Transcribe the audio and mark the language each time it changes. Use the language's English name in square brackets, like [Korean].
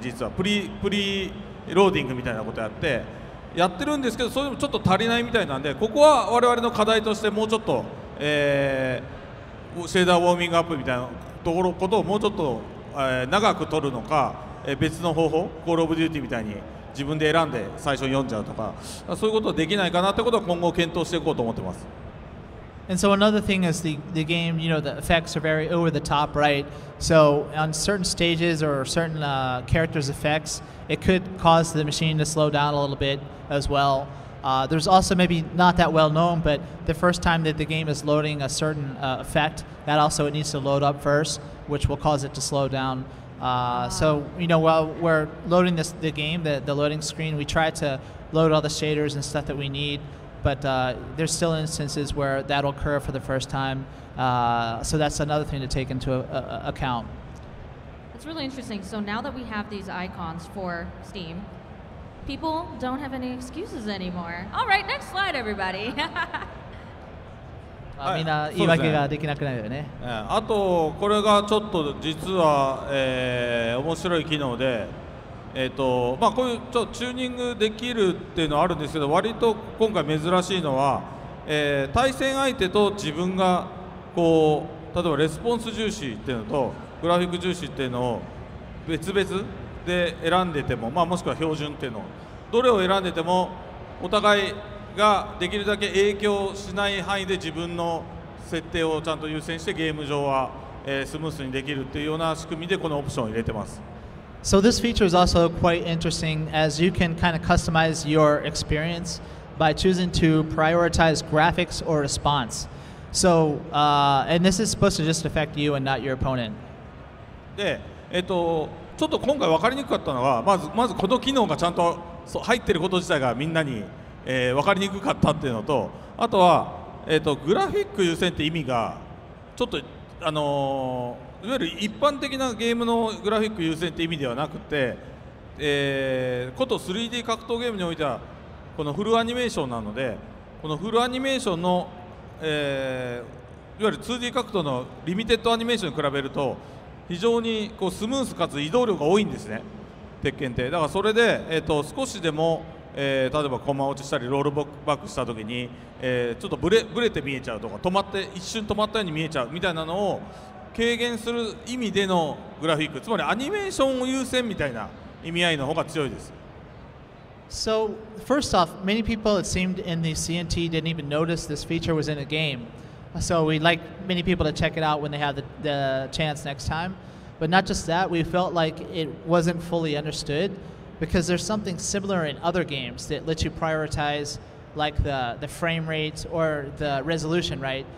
[Japanese] 実はプリローディングみたいなことやってるんですけど、それでもちょっと足りないみたいなんで、ここは我々の課題としてもうちょっと、シェーダーウォーミングアップみたいなところをもうちょっと、長く撮るのか、別の方法、コールオブデューティーみたいに自分で選んで最初に読んじゃうとか、そういうことはできないかなってことは今後検討していこうと思ってます。 [English] And so another thing is the game, you know, the effects are very over the top, right? So on certain stages or certain characters' effects, it could cause the machine to slow down a little bit as well. There's also maybe not that well known, but the first time that the game is loading a certain effect, that also it needs to load up first, which will cause it to slow down. So, you know, while we're loading the game, the loading screen, we try to load all the shaders and stuff that we need. But there's still instances where that'll occur for the first time. So that's another thing to take into account. That's really interesting. So now that we have these icons for Steam, people don't have any excuses anymore. All right, next slide, everybody. [Japanese] みんな言い訳ができなくなるよね。あとこれがちょっと実は、面白い機能で、まあ、こういうちょっとチューニングできるっていうのはあるんですけど、割と今回珍しいのは、対戦相手と自分がこう例えばレスポンス重視っていうのとグラフィック重視っていうのを別々で選んでても、まあ、もしくは標準っていうのをどれを選んでてもお互いができるだけ影響しない範囲で自分の設定をちゃんと優先してゲーム上は、スムースにできるっていうような仕組みでこのオプションを入れてます。 [English] So this feature is also quite interesting as you can kind of customize your experience by choosing to prioritize graphics or response. So, and this is supposed to just affect you and not your opponent. [Japanese] で、ちょっと今回分かりにくかったのは、まずこの機能がちゃんと入ってること自体がみんなに、分かりにくかったっていうのと、あとは、グラフィック優先って意味がちょっといわゆる一般的なゲームのグラフィック優先って意味ではなくて、こと 3D 格闘ゲームにおいてはこのフルアニメーションなので、このフルアニメーションの、いわゆる 2D 格闘のリミテッドアニメーションに比べると非常にこうスムースかつ移動量が多いんですね、鉄拳って。だからそれで、少しでも、例えばコマ落ちしたりロールバックした時に、ちょっとブレて見えちゃうとか、止まって一瞬止まったように見えちゃうみたいなのを軽減する意味でのグラフィック、つまりアニメーションを優先みたいな意味合いの方が強いです。 [English] So first off, many people it seemed in the CNT didn't even notice this feature was in a game. So we'd like many people to check it out when they have the chance next time. But not just that, we felt like it wasn't fully understood because there's something similar in other games that lets you prioritize like the frame rate or the resolution, right?